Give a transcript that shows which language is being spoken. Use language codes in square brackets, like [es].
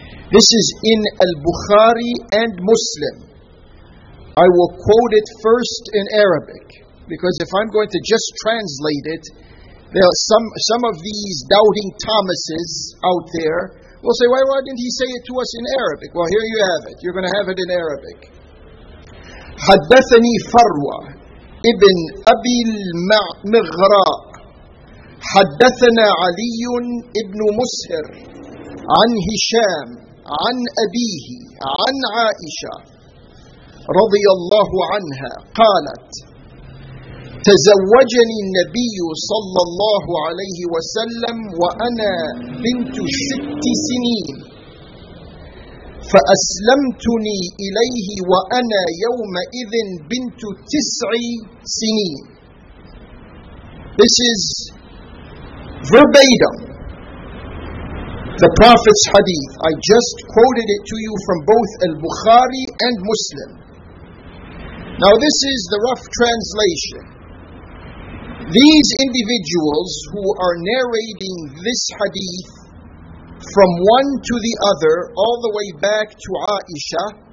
[en] This is in Al-Bukhari and Muslim. I will quote it first in Arabic, because if I'm going to just translate it, there are some of these doubting Thomases out there will say, why didn't he say it to us in Arabic? Well, here you have it. You're going to have it in Arabic. [ar] حدثني فروة ابن أبي المغراء حدثنا علي ابن مسهر عن هشام عن أبيه عن عائشة رضي الله عنها قالت تزوجني النبي صلى الله عليه وسلم وأنا بنت 6 سنين فأسلمتني إليه وأنا يومئذ بنت 9 سنين. [en] This is verbatim the Prophet's hadith. I just quoted it to you from both Al-Bukhari and Muslim. Now this is the rough translation. These individuals who are narrating this hadith from one to the other, all the way back to Aisha,